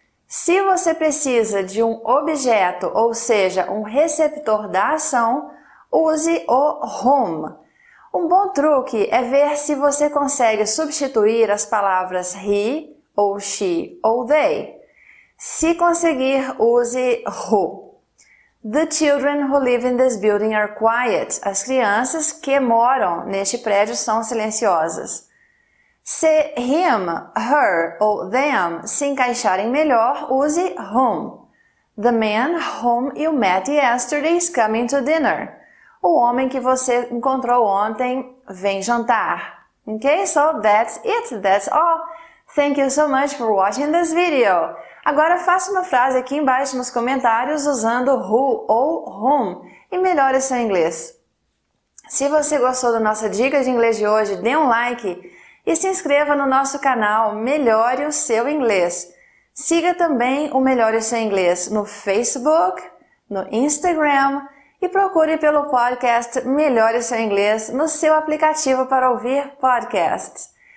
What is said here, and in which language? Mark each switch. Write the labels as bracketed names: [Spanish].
[Portuguese] Se você precisa de um objeto, ou seja, um receptor da ação, use o whom. Um bom truque é ver se você consegue substituir as palavras he, ou she, ou they. Se conseguir, use who. [English] The children who live in this building are quiet. [Portuguese] As crianças que moram neste prédio são silenciosas. Se him, her ou them se encaixarem melhor, use whom. [English] The man whom you met yesterday is coming to dinner. [Portuguese] O homem que você encontrou ontem vem jantar. [English] Okay, so that's it, that's all. Thank you so much for watching this video. [Portuguese] Agora faça uma frase aqui embaixo nos comentários usando who ou whom e melhore seu inglês. Se você gostou da nossa dica de inglês de hoje, dê um like e se inscreva no nosso canal Melhore o Seu Inglês. Siga também o Melhore o Seu Inglês no Facebook, no Instagram e procure pelo podcast Melhore o Seu Inglês no seu aplicativo para ouvir podcasts.